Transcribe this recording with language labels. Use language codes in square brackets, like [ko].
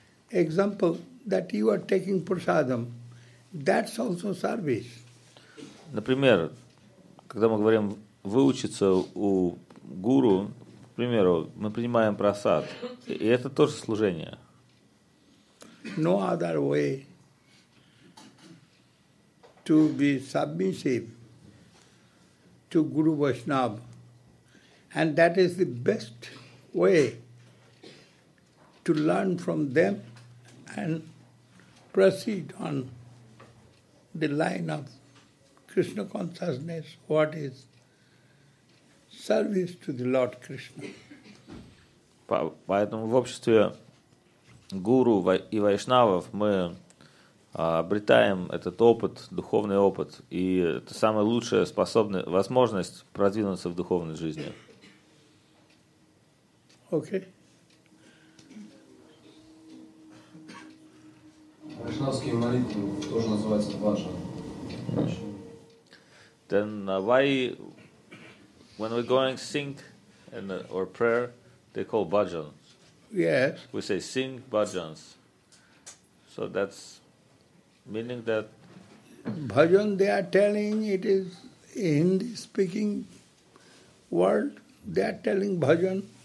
[en] Example, that you are taking prasadam, that's also service. [ru] Например, когда мы говорим выучиться у гуру, к примеру, мы принимаем прасад, и это тоже служение. [en] No other way to be submissive to Guru Vaishnava. And that is the best way to learn from them and proceed on the line of Krishna consciousness, what is service to the Lord Krishna. [ru] Поэтому в обществе гуру и вайшнавов мы обретаем этот опыт, духовный опыт, и это самая лучшая возможность продвинуться в духовной жизни. Окей. Вайшнавские молитвы тоже называются бхаджан. [en] Then why, when we're going sing and or prayer, they call bhajan? Yes. We say sing bhajans. So that's meaning that bhajan, they are telling it is in Hindi speaking world, they are telling bhajan.